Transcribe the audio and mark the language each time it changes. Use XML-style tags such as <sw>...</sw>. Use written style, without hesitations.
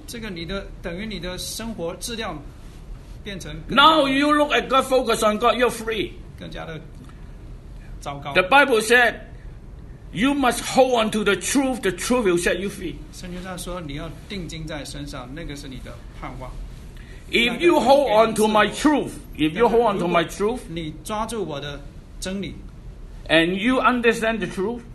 <zh>这个你的等于你的生活质量变成更加的,</zh> <en>now you look at God, focus on God, you're free.</en> <zh>更加的糟糕。</zh> <en>The Bible said, you must hold on to the truth. The truth will set you free.</en> <zh>圣经上说，你要定睛在身上，那个是你的盼望。</zh> <en>If you hold on to my truth, if you hold on to my truth,</en> <zh>你抓住我的真理,</zh> <en>and you understand the truth,</en>